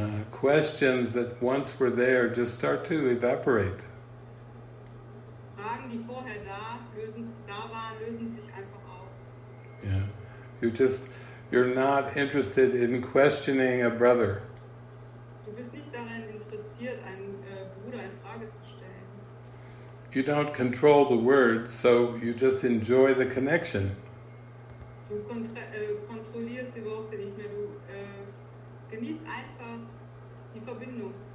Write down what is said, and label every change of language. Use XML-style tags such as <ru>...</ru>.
<en>Questions that once were there just start to evaporate.</en> <de>Fragen, die vorher da waren, lösen sich einfach auf.</de> <en>Yeah. You're not interested in questioning a brother.</en> <de>Du bist nicht daran interessiert, einen Bruder in Frage zu stellen.</de> <en>You don't control the words, so you just enjoy the connection.</en> <de>Du kontrollierst die Worte nicht mehr, du genießt einfach die Verbindung.</de>